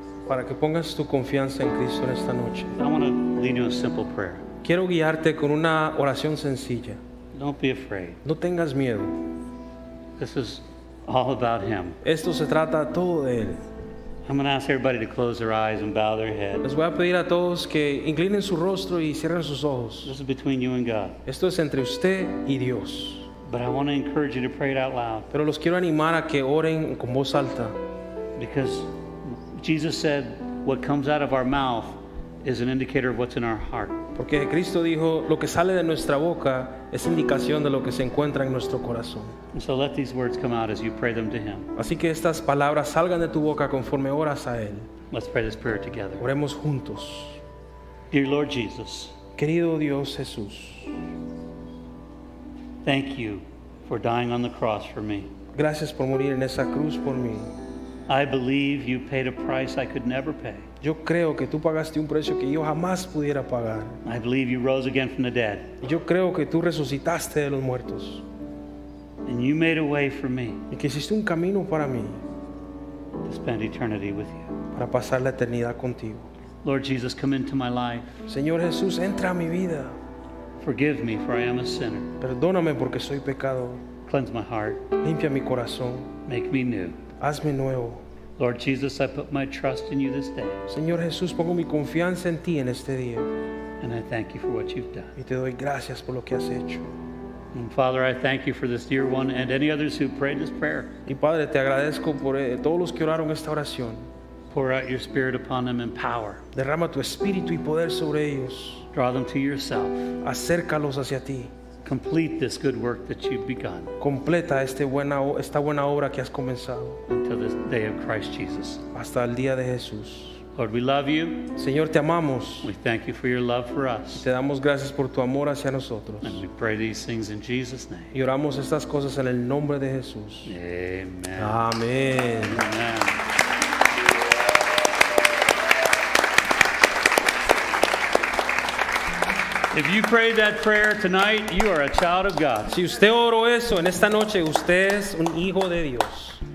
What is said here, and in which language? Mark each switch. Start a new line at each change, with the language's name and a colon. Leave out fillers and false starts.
Spanish: Para que pongas tu confianza en Cristo en esta noche.
English: I want to lead you a simple prayer.
Spanish: Quiero guiarte con una oración sencilla.
English: Don't be afraid.
Spanish: No tengas miedo.
English: This is all about Him.
Spanish: Esto se trata todo de Él.
English: I'm going to ask everybody to close their eyes and bow their head.
Spanish: Les voy a pedir a todos que inclinen su rostro y cierren sus ojos.
English: This is between you and God.
Spanish: Esto es entre usted y Dios.
English: But I want to encourage you to pray it out loud.
Spanish: Pero los quiero animar a que oren con voz alta.
English: Because Jesus said, "What comes out of our mouth is an indicator of what's in our heart."
Spanish: Porque Cristo dijo, lo que sale de nuestra boca es indicación de lo que se encuentra en nuestro corazón.
English: And so let these words come out as you pray them to Him.
Spanish: Así que estas palabras salgan de tu boca conforme oras a Él.
English: Let's pray this prayer together.
Spanish: Oremos juntos.
English: Dear Lord Jesus,
Spanish: querido Dios Jesús,
English: thank you for dying on the cross for me.
Spanish: Gracias por morir en esa cruz por mí.
English: I believe you paid a price I could never pay.
Spanish: Yo creo que tú pagaste un precio que yo jamás pudiera pagar.
English: I believe you rose again from the dead.
Spanish: Yo creo que tú resucitaste de los muertos.
English: And you made a way for me.
Spanish: Y que hiciste un camino para mí.
English: To spend eternity with you.
Spanish: Para pasar la eternidad contigo.
English: Lord Jesus, come into my life.
Spanish: Señor Jesús, entra a mi vida.
English: Forgive me, for I am a sinner.
Spanish: Perdóname porque soy pecador.
English: Cleanse my heart.
Spanish: Limpia mi corazón.
English: Make me new.
Spanish: Hazme nuevo.
English: Lord Jesus, I put my trust in you this day.
Spanish: Señor Jesús, pongo mi confianza en ti en este día.
English: And I thank you for what you've done.
Spanish: Y te doy gracias por lo que has hecho.
English: And Father, I thank you for this dear one and any others who prayed this prayer.
Spanish: Y Padre, te agradezco por todos los que oraron esta oración.
English: Pour out your spirit upon them in power.
Spanish: Derrama tu espíritu y poder sobre ellos.
English: Draw them to yourself.
Spanish: Acércalos hacia ti.
English: Complete this good work that you've begun.
Spanish: Completa esta buena obra que has comenzado.
English: Until the day of Christ Jesus.
Spanish: Hasta el día de Jesús.
English: Lord, we love you.
Spanish: Señor, te amamos.
English: We thank you for your love for us.
Spanish: Te damos gracias por tu amor hacia nosotros.
English: And we pray these things in Jesus' name.
Spanish: Y oramos estas cosas en el nombre de Jesús.
English: Amen. Amen. Amen. If you prayed that prayer tonight, you are a child of God.
Spanish: Si usted oró eso en esta noche, usted es un hijo de Dios.